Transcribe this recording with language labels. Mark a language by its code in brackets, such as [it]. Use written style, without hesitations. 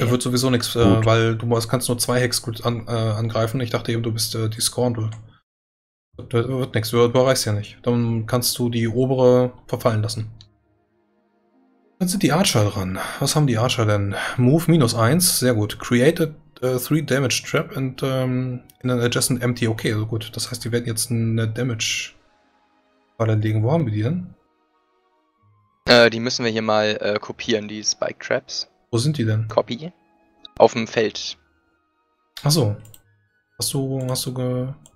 [de] Er wird sowieso nichts, weil du kannst nur 2 Hexgrids angreifen. Ich dachte eben, du bist die Scoundrel. Das wird nichts, du überreichst ja nicht. Dann kannst du die obere verfallen lassen. Dann sind die Archer dran. Was haben die Archer denn? Move minus 1, sehr gut. [en] Create a 3 Damage Trap and in an adjacent empty. [de] Okay, also gut. Das heißt, die werden jetzt eine Damage-Falle legen. Wo haben wir die denn? Die müssen wir hier mal kopieren, die Spike Traps. Wo sind die denn? Copy. Auf dem Feld. Achso. Hast du.